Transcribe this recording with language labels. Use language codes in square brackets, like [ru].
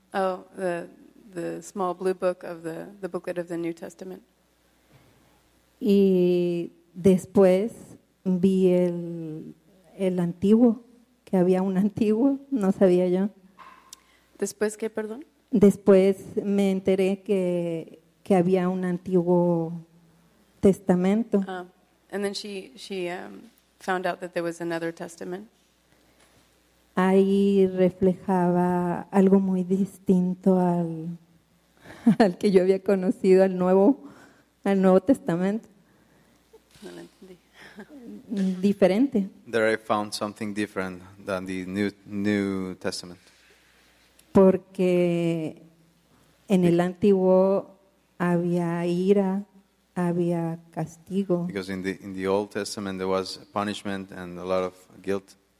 [en] Oh, the small blue book of the booklet of the New Testament. [es] Y después vi el antiguo, que había un antiguo, no sabía yo. ¿Después qué, perdón? Después me enteré que había un antiguo testamento. [en] And then she found out that there was another testament. [es] Ahí reflejaba algo muy distinto al que yo había conocido, al nuevo Testamento. No lo entendí. Diferente. [en] There I found something different than the new Testament. [es] Porque en el antiguo había ira, había castigo. [en] Because in the Old Testament there was punishment and a lot of guilt.